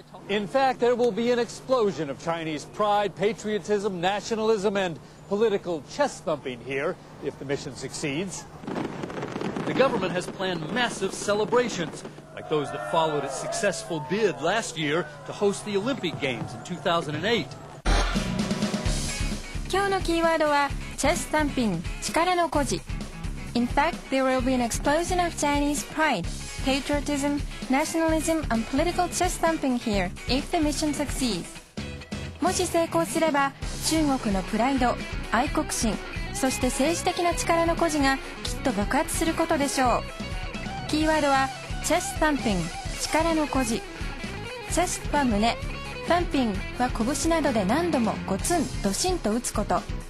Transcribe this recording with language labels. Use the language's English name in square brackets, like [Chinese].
[English] In fact, there will be an explosion of Chinese pride, patriotism, nationalism, and political chest thumping here if the mission succeeds. The government has planned massive celebrations, like those that followed its successful bid last year to host the Olympic Games in 2008. [Japanese] 今日のキーワードはチェスタンピン、力の誇示。 [English] In fact, there will be an explosion of Chinese pride, patriotism, nationalism, and political chest thumping here if the mission succeeds. [Japanese] もし成功すれば、中国のプライド、愛国心、そして政治的な力の誇示がきっと爆発することでしょう。キーワードは、チェスタンピン、力の誇示。チェスは胸、タンピンは拳などで何度もゴツン、ドシンと打つこと。